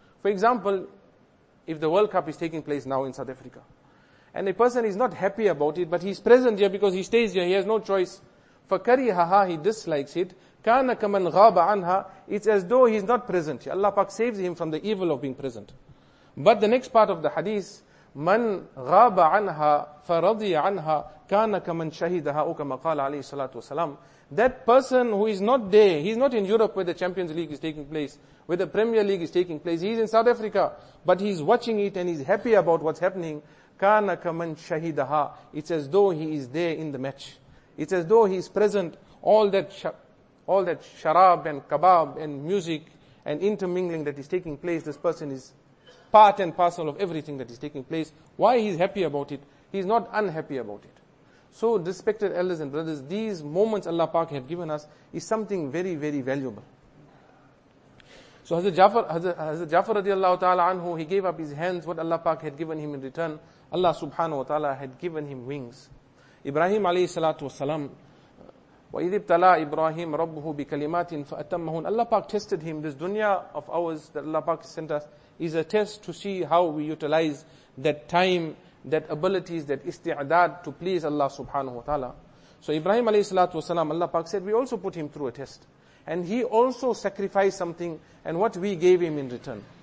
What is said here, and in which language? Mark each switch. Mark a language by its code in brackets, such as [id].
[en] For example, if the World Cup is taking place now in South Africa, and a person is not happy about it, but he's present here because he stays here, he has no choice. [ar] فَكَرِهَهَا, [en] he dislikes it. [ar] كَانَ كَمَنْ غَابَ عَنْهَا, [en] it's as though he's not present. Allah Pak saves him from the evil of being present. But the next part of the hadith, [ar] مَنْ غَابَ عَنْهَا فَرَضِيَ عَنْهَا كَانَ كَمَنْ شَهِدَهَا وَكَمَا قَالَ عَلَيْهِ الصَّلَاةُ وَسَلَامُ. [en] That person who is not there, he's not in Europe where the Champions League is taking place, where the Premier League is taking place, he's in South Africa, but he's watching it and he's happy about what's happening. [ar] كَانَ كَمَنْ شَهِدَهَا, [en] it's as though he is there in the match. It's as though he is present. All that sharab and kebab and music and intermingling that is taking place, this person is part and parcel of everything that is taking place. Why he's happy about it? He's not unhappy about it. So, respected elders and brothers, these moments Allah Pak have given us is something very, very valuable. So, Hazrat Jafar radiallahu ta'ala anhu, he gave up his hands, what Allah Pak had given him in return. Allah subhanahu wa ta'ala had given him wings. Ibrahim alayhi salatu wasalam, [ar] وَإِذْ ابْتَلَى إِبْرَاهِيمَ رَبُّهُ بِكَلِمَاتٍ فَأَتَمَّهُنَّ. [en] Allah Pak tested him. This dunya of ours that Allah Pak sent us is a test to see how we utilize that time, that abilities, that isti'adad to please Allah subhanahu wa ta'ala. So Ibrahim alayhi salatu wasalam, Allah Pak said, we also put him through a test. And he also sacrificed something and what we gave him in return.